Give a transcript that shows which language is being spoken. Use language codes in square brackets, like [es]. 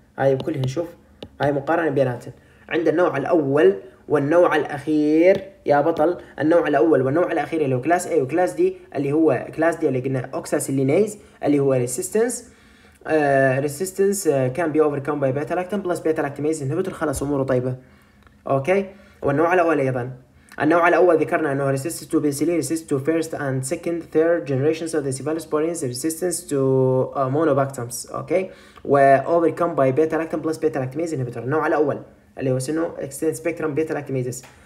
[ar] هاي بكلها نشوف هاي مقارنة بيناتهم، عند النوع الأول والنوع الأخير يا بطل، النوع الأول والنوع الأخير اللي هو كلاس A وكلاس D، اللي هو كلاس D اللي قلنا أوكساسيلينيز اللي هو ريسيستنس، [en] resistance can be overcome by beta lactam plus beta lactamase inhibitor, [ar] خلاص أموره طيبة، أوكي. والنوع الأول أيضا، النوع الاول ذكرنا انه [en] resistance to penicillin, resistance to first and second third generations of the cephalosporins, resistance to monobactams, okay, were overcome by beta lactam plus beta lactamase inhibitor. [ar] النوع الاول اللي هو شنو؟ [en] extend spectrum beta lactamases.